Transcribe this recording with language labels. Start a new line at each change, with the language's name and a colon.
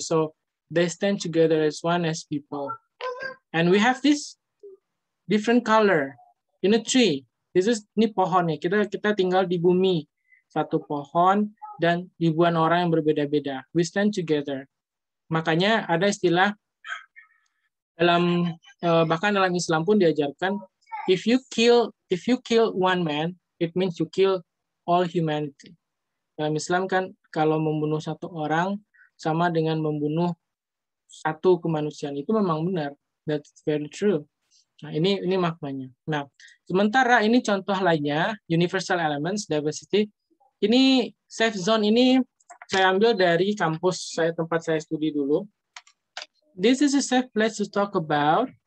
English: So they stand together as one as people. And we have this different color in a tree. This is
Indonesian: ni pohonnya. Kita tinggal di bumi. Satu pohon dan ribuan orang yang berbeda-beda.
English: We stand together.
Indonesian: Makanya ada istilah dalam bahkan dalam Islam pun diajarkan,
English: if you kill one man, it means you kill all humanity.
Indonesian: Dalam Islam kan kalau membunuh satu orang sama dengan membunuh satu kemanusiaan. Itu memang benar.
English: That's very true.
Indonesian: Nah, ini maknanya. Nah, sementara ini contoh lainnya, universal elements, diversity. Ini safe zone ini saya ambil dari kampus saya, tempat saya studi dulu.
English: This is a safe place to talk about.